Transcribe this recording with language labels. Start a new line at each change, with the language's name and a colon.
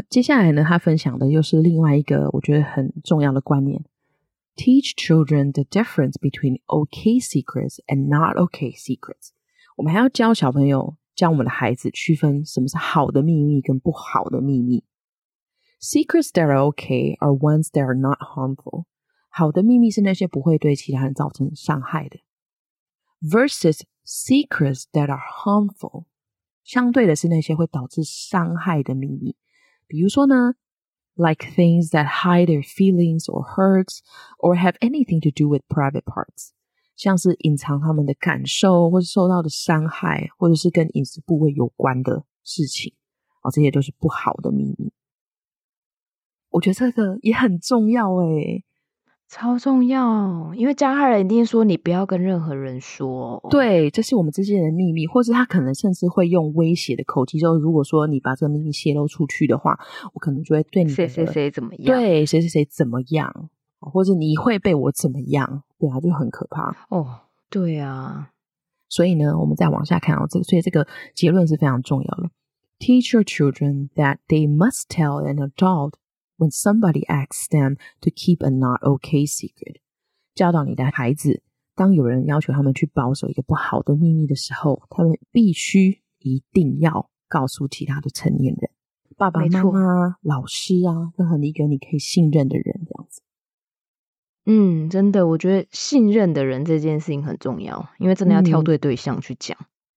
Chinese: 接下来呢他分享的又是另外一个我觉得很重要的观念，
English: Teach children the difference between okay secrets
Chinese: and not okay secrets。我们还要教小朋友，教我们的孩子区分什么是好的秘密跟不好的秘密。
English: Secrets that are okay are ones that are not harmful.
Chinese: 好的秘密是那些不会对其他人造成伤害的。
English: Versus secrets that are harmful.
Chinese: 相对的是那些会导致伤害的秘密。比如说呢，
English: like things that hide their feelings or hurts or have anything to do with private parts.
Chinese: 像是隐藏他们的感受或是受到的伤害或者是跟隐私部位有关的事情、哦、这些都是不好的秘密。我觉得这个也很重要耶、欸、超重要，因为加害人一定说你不要跟任何人说，对，这是我们之间的秘密，或是他可能甚至会用威胁的口气，就如果说你把这个秘密泄露出去的话，我可能就会对你谁谁谁怎么样，对，谁谁谁怎么样，或者你会被我怎么样，对啊，就很可怕哦。对啊，所以呢我们再往下看、哦、这所以这个结论是非常重要的。
English: Teach your children that they must tell an adult when somebody asks them to keep a not okay secret.
Chinese: 教导你的孩子，当有人要求他们去保守一个不好的秘密的时候，他们必须一定要告诉其他的成年人，爸爸妈妈老师啊，任何一个你可以信任的人，这样子。嗯，真的，我觉得信任的人这件事情很重要，因为真的要挑对对象去讲、嗯、